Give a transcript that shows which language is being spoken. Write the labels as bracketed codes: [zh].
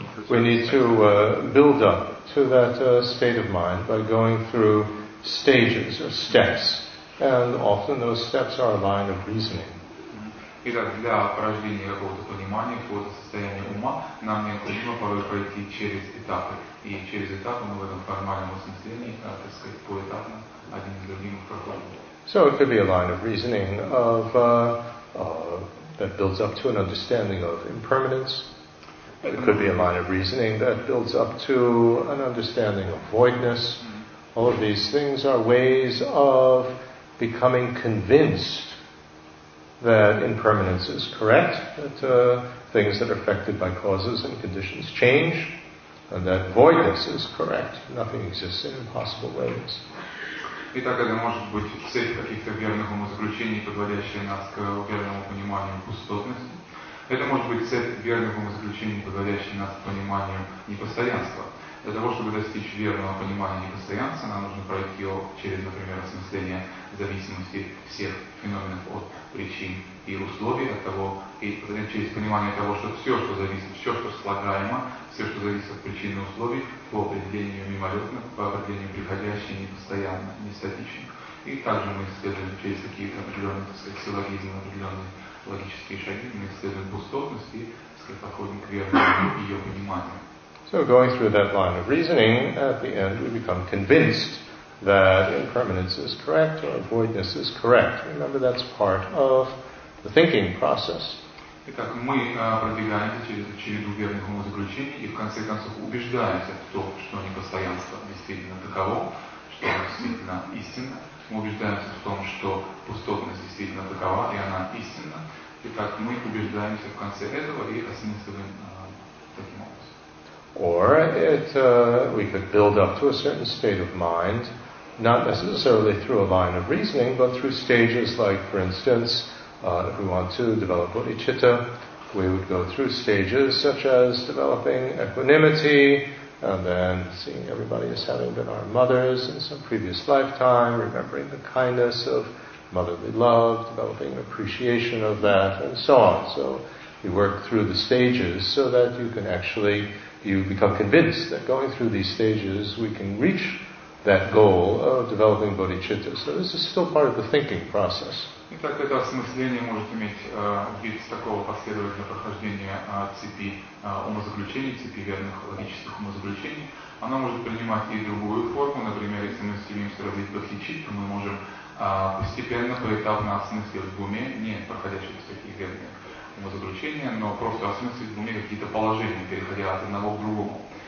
[en] We need to build up to that state of mind by going through stages or steps, and often those steps are a line of reasoning. [ru] Итак, для порождения какого-то понимания, какого-то состояния ума, нам необходимо порой пройти через этапы. И через этапы мы в этом формальном осмыслении, так сказать, поэтапно, один за другим проходим. [en] So it could be a line of reasoning of that builds up to an understanding of impermanence. It could be a line of reasoning that builds up to an understanding of voidness. All of these things are ways of becoming convinced that impermanence is correct, that things that are affected by causes and conditions change, and that voidness is correct. Nothing exists in impossible ways. [ru] Итак, это может быть цепь каких-то верных умозаключений, подводящая нас к верному пониманию пустотности. Это может быть цепь верных умозаключений, подводящая нас к пониманию непостоянства. Для того, чтобы достичь верного понимания непостоянства, нам нужно пройти его через, например, осмысление зависимости всех феноменов от причин и условий, от того, и через понимание того, что все, что зависит, все, что слагаемо, все, что зависит от причин и условий, по определению мимолетно, по определению приходящее, непостоянно, нестатично. И также мы исследуем через какие-то определенные, так сказать, силлогизмы, определенные логические шаги, мы исследуем пустотность и, так сказать, подходим к верному ее пониманию. [en] So going through that line of reasoning, at the end we become convinced that impermanence is correct or voidness is correct. Remember, that's part of the thinking process. [ru] Итак, мы продвигаемся через череду верных умозаключений и в конце концов убеждаемся в том, что непостоянство действительно таково, что оно действительно истинно. Мы убеждаемся в том, что пустотность действительно такова и она истинна. Итак, мы убеждаемся в конце этого и осмысливаем таким образом. [en] Or it, we could build up to a certain state of mind, not necessarily through a line of reasoning, but through stages like, for instance, if we want to develop bodhicitta, we would go through stages such as developing equanimity, and then seeing everybody as having been our mothers in some previous lifetime, remembering the kindness of motherly love, developing appreciation of that, and so on. So you work through the stages so that you can actually you become convinced that going through these stages we can reach that goal of developing bodhicitta. So this is still part of the thinking process. [ru] Итак, это осмысление может иметь вид такого последовательного прохождения цепи умозаключений, цепи верных логических умозаключений. Оно может принимать и другую форму. Например, если мы стремимся развить бодхичитту, мы можем постепенно, поэтапно осмыслить в уме, не проходящих таких верных заключение, но просто осмыслить в уме какие-то положения, переходя от одного к другому.